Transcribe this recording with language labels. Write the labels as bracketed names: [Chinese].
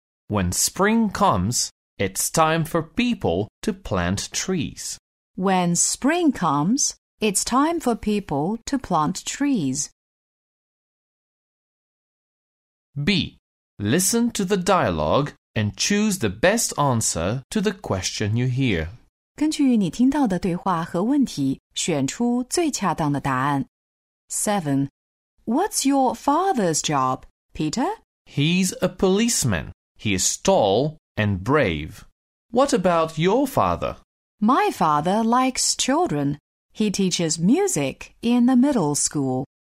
[English] When spring comes, it's time for people to plant trees. When spring comes, it's time for people to plant trees. B. Listen to the dialogue and choose the best answer to the question you hear. [Chinese] 根据你听到的对话和问题，选出最恰当的答案。 [English] 7. What's your father's job, Peter? He's a policeman. He is tall and brave. What about your father? My father likes children. He teaches music in the middle school.